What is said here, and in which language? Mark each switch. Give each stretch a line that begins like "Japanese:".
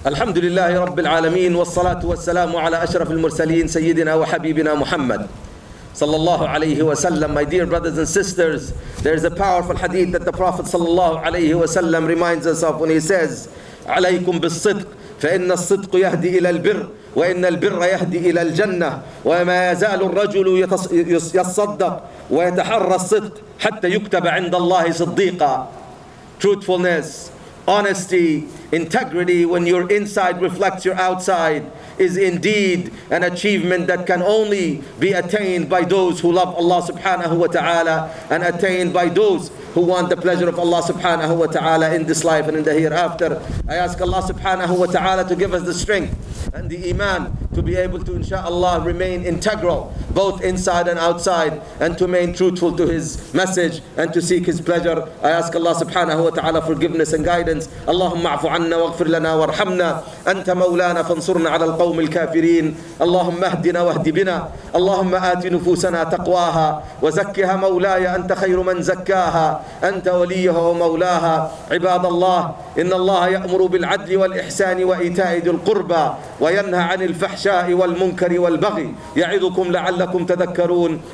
Arabic: الحمد لله رب العالمين والصلاة والسلام على أشرف المرسلين سيدنا وحبيبنا محمد sallallahu alayhi wa sallam.
English: My dear brothers and sisters, there is a powerful hadith that the Prophet sallallahu alayhi wa sallam reminds us of when he says,
Arabic: عليكم بالصدق فإن الصدق يهدي إلى البر وإن البر يهدي إلى الجنة وما يزال الرجل يصدق ويتحرى الصدق حتى يكتب عند الله صديقا.
English: Truthfulness, honesty, integrity, when your inside reflects your outside, is indeed an achievement that can only be attained by those who love Allah subhanahu wa ta'ala and attained by those who want the pleasure of Allah subhanahu wa ta'ala in this life and in the hereafter. I ask Allah subhanahu wa ta'ala to give us the strength and the iman to be able to, insha'Allah, remain integral both inside and outside and to remain truthful to His message and to seek His pleasure. I ask Allah subhanahu wa ta'ala forgiveness and guidance.
Arabic: Allahumma afu anna waghfir lana warhamna. Anta maulana fansurna ala القوم الكافرين. اللهم اهدنا واهد بنا. اللهم آت نفوسنا تقواها وزكها مولاي أنت خير من زكاها أنت وليها ومولاها. عباد الله, إن الله يأمر بالعدل والإحسان وإيتاء ذي القربى وينهى عن الفحشاء والمنكر والبغي يعظكم لعلكم تذكرون.